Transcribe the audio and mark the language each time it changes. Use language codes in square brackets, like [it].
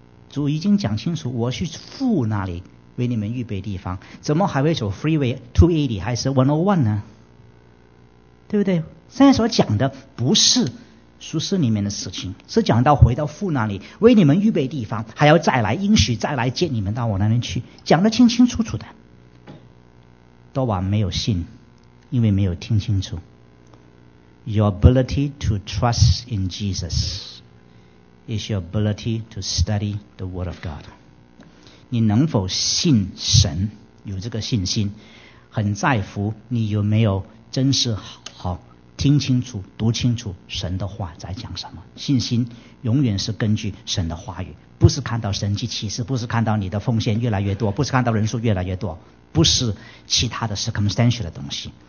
[zh] 主已经讲清楚，我去父那里为你们预备地方，怎么还会走 freeway 280还是101呢？对不对？现在所讲的不是俗世里面的事情，是讲到回到父那里为你们预备地方，还要再来应许再来接你们到我那边去，讲得清清楚楚的。多瓦没有信，因为没有听清楚。 [en] Your ability to trust in Jesus is your ability to study the Word of God. [zh] 你能否信神，有这个信心，很在乎你有没有真是好听清楚、读清楚神的话在讲什么。信心永远是根据神的话语，不是看到神迹奇事，不是看到你的奉献越来越多，不是看到人数越来越多，不是其他的 circumstantial 的东西。